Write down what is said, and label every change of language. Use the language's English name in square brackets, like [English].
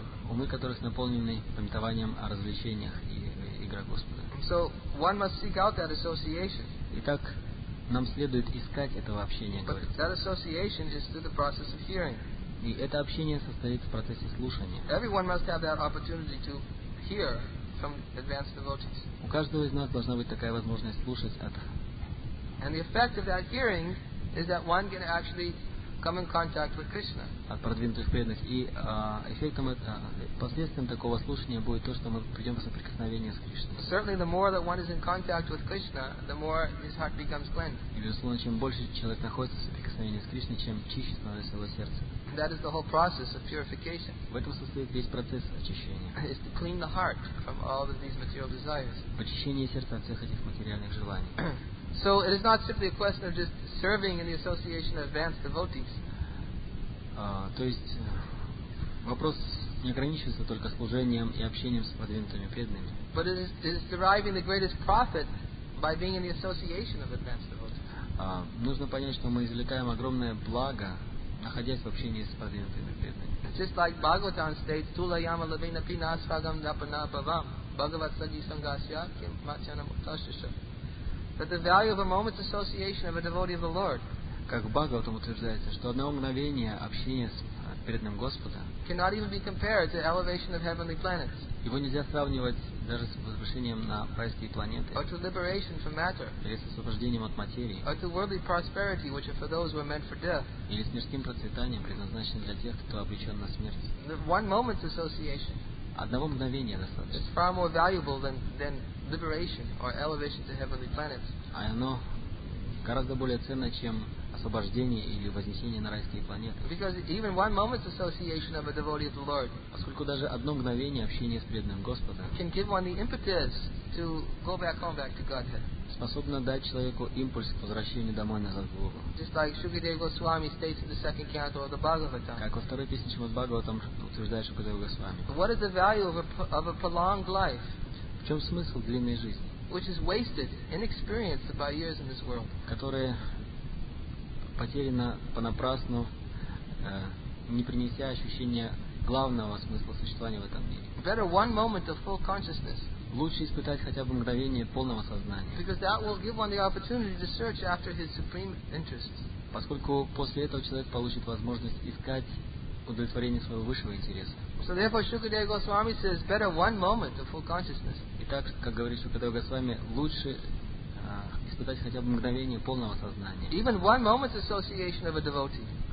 [Russian] Умы, которые наполнены памятованием о развлечениях и игра Господа. [English] So one must seek out that association. [Russian] Итак, нам следует искать этого общения, говорит. [English] That association is through the process of hearing. [Russian] И это общение состоит в процессе слушания. [English] Everyone must have that opportunity to hear from advanced devotees. [Russian] У каждого из нас должна быть такая возможность слушать от. [English] And the effect of that hearing is that one can actually come in contact with Krishna. [Russian] От продвинутых преданных. И эффектом последствием такого слушания будет то, что мы придем в соприкосновение с Кришной. [English] Certainly, the more that one is in contact with Krishna, the more his heart becomes cleansed. [Russian] И безусловно, чем больше человек находится в соприкосновении с Кришной, чем чище становится его сердце. [English] That is the whole process of purification. [Russian] В этом состоит весь процесс очищения. [English] It's to clean the heart from all of these material desires. [Russian] Очищение сердца от всех этих материальных желаний. [English] So it is not simply a question of just serving in the association of advanced devotees. [Russian] То есть вопрос не ограничивается только служением и общением с продвинутыми преданными. [English] But it is deriving the greatest profit by being in the association of advanced devotees. [Russian] Нужно понять, что мы извлекаем огромное благо, находясь в общении с продвинутыми преданными. [English] Just like Bhagavatam states, [Sanskrit] "Tula yama lavina pina svagam dapana bhavam Bhagavat sadhi sangasya kim matyanam utashisha." [English] That the value of a moment's association of a devotee of the Lord. [Russian] Как в Бхагаватам утверждается, что одно мгновение общения с преданным Господа. [English] Cannot even be compared to elevation of heavenly planets. [Russian] Его нельзя сравнивать даже с возвышением на райские планеты. [English] Or to liberation from matter. [Russian] Или с освобождением от материи. [English] Or to worldly prosperity, which are for those who are meant for death. [Russian] Или с мирским процветанием, предназначенным для тех, кто обречен на смерть. [English] The one moment's association. [Russian] Одного мгновения достаточно. [English] It's far more valuable than liberation or elevation to heavenly planets. [Russian] А оно гораздо более ценно, чем освобождение или вознесение на райские планеты. [English] Because even one moment's association of a devotee of the Lord. [Russian] Поскольку даже одно мгновение общения с преданным Господом. [English] Can give one the impetus to go back home back to Godhead. [Russian] Способно дать человеку импульс к возвращению домой назад в Богу. [English] Just like Shukadeva Goswami states in the second canto of the Bhagavatam. [Russian] Как во второй песне Чимат Бхагаватам утверждает Шукадева Госвами. [English] What is the value of a prolonged life? [Russian] В чем смысл длинной жизни? [English] Which is wasted, inexperienced by years in this world. [Russian] Которая потеряна понапрасну, не принеся ощущения главного смысла существования в этом мире. [English] Better one moment of full consciousness. [Russian] Лучше испытать хотя бы мгновение полного сознания. [English] Because that will give one the opportunity to search after his supreme interests. [Russian] Поскольку после этого человек получит возможность искать удовлетворение своего высшего интереса. [English] So therefore, Shukadeva Goswami says, better one moment of full consciousness. [Russian] Итак, как говорит Шукадева Госвами, лучше испытать хотя бы мгновение полного сознания. [English] Even one moment's association of a devotee.